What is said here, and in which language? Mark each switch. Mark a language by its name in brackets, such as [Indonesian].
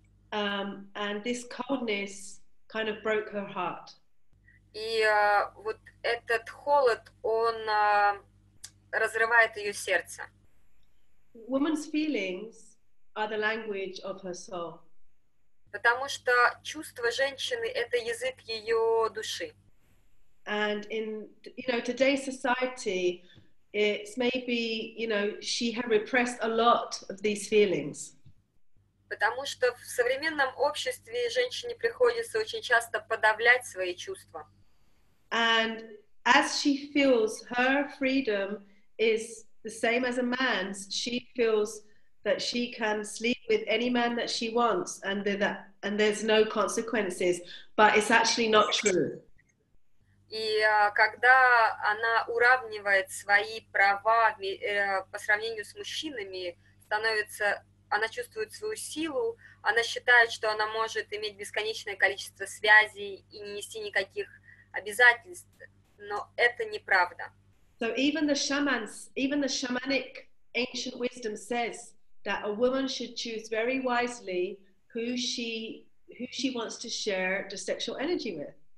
[English] And this coldness kind of broke her heart. [Russian] И вот этот холод, он разрывает ее сердце. [English] Woman's feelings are the language of her soul. [Russian] Потому что чувства женщины — это язык ее души. [English] And in, you know, today's society, it's maybe, you know, she had repressed a lot of these feelings. [Russian] Потому что в современном обществе женщине приходится очень часто подавлять свои чувства. [English] And as she feels her freedom is the same as a man's, she feels that she can sleep with any man that she wants and that and there's no consequences, but it's actually not true. [Russian] И когда она уравнивает свои права по сравнению с мужчинами, становится, она чувствует свою силу, она считает, что она может иметь бесконечное количество связей и не нести никаких обязательств, но это неправда. [English] So even the shamans, even the shamanic ancient wisdom says that a woman should choose very wisely who she wants to share the sexual energy with.